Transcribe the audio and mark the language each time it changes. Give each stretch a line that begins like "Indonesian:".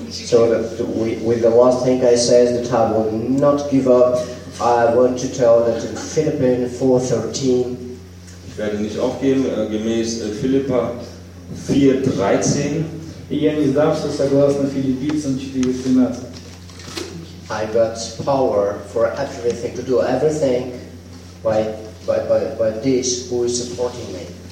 English: So with the last thing I say is that I will not give up. I want to tell that in Philippians 4:13.
German: Ich werde nicht aufgeben, gemäß Philippa 4:13.
Russian: Я не сдамся, согласно Филиппийцам 4:13.
English: I got power for everything to do everything by this who is supporting me.